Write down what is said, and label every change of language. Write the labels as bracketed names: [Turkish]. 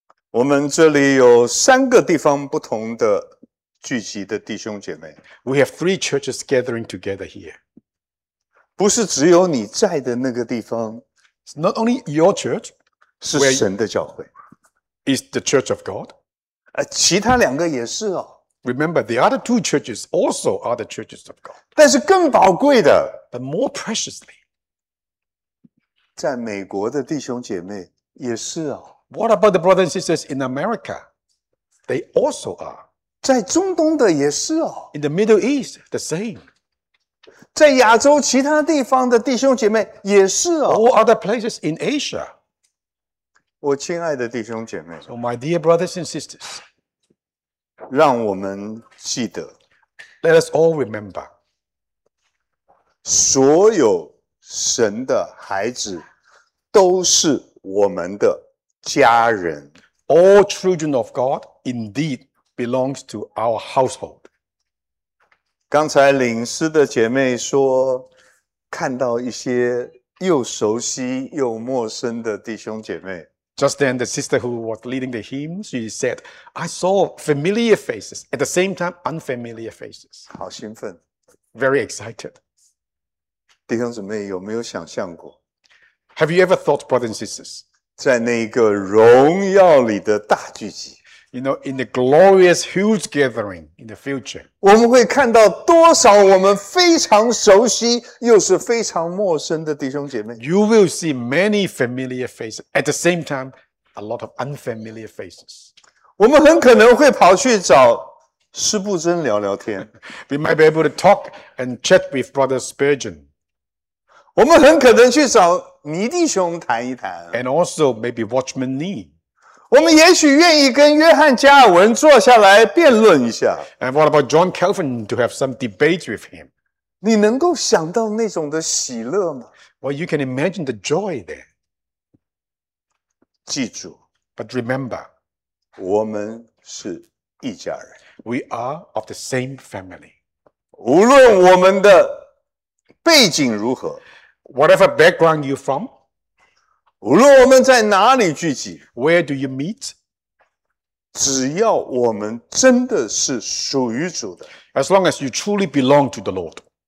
[Chinese] 我们这里有三个地方不同的聚集的弟兄姐妹。 [English] We have three churches gathering together here. [Chinese] 不是只有你在的那个地方。 [English] It's not only your church. [Chinese] 是神的教会。 [English] Is the church of God. [Chinese] 其他两个也是哦。 [English] Remember, the other two churches also are the churches of God. [Chinese] 但是更宝贵的。 [English] But more preciously. [Chinese] 在美国的弟兄姐妹也是哦。 [English] What about the brothers and sisters in America? They also are. [Chinese] 在中东的也是哦。 [English] In the Middle East, the same. [Chinese] 在亚洲其他地方的弟兄姐妹也是哦。 [English] All other places in Asia. [Chinese] 我亲爱的弟兄姐妹。 [English] So my dear brothers and sisters. [Chinese] 让我们记得。 [English] Let us all remember. [Chinese] 所有神的孩子都是我们的。家人 [English] All children of God indeed belongs to our household. [Chinese] 刚才领诗的姐妹说，看到一些又熟悉又陌生的弟兄姐妹。 [English] Just then, the sister who was leading the hymn, she said, "I saw familiar faces at the same time, unfamiliar faces." [Chinese] 好兴奋 [English] ，very excited. [Chinese] 弟兄姊妹有没有想象过 [English] ？Have you ever thought, brothers and sisters? [Chinese] 在那个荣耀里的大聚集 [English] ，You know, in the glorious huge gathering in the future, [Chinese] 我们会看到多少我们非常熟悉又是非常陌生的弟兄姐妹。 [English] You will see many familiar faces at the same time, a lot of unfamiliar faces. [Chinese] 我们很可能会跑去找施布真聊聊天 [English] ，We might be able to talk and chat with Brother Spurgeon. [Chinese] 我们很可能去找。倪弟兄谈一谈 [English] ，and also maybe Watchman Nee， [Chinese] 我们也许愿意跟约翰加尔文坐下来辩论一下。 [English] And what about John Calvin to have some debate with him？ [Chinese] 你能够想到那种的喜乐吗 [English] ？Well, you can imagine the joy there. [Chinese] 记住 [English] ，but remember， [Chinese] 我们是一家人。 [English] We are of the same family. [Chinese] 无论我们的背景如何。 [English] Whatever background you're from, [Chinese] 无论我们在哪里聚集 [English] ，Where do you meet? [Chinese] 只要我们真的是属于主的 [English] ，As long as you truly belong to the Lord,